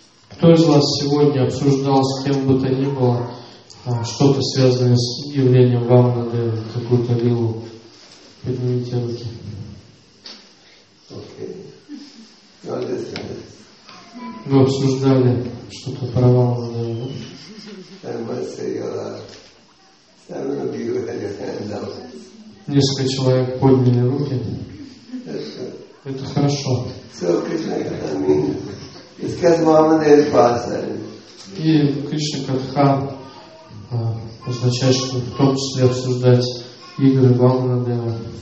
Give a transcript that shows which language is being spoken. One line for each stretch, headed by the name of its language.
Russian: Кто из вас сегодня обсуждал с кем бы то ни было что-то связанное с явлением Вамана-девы, какую-то лилу? Поднимите руки.
English: Okay.
Russian: Вы обсуждали что-то про Вамана-деву?
English: I must say seven of you had your hand up.
Russian: Несколько человек подняли руки. Это хорошо. И Кришна Катха означает, что в том числе обсуждать игры Вамана Дева.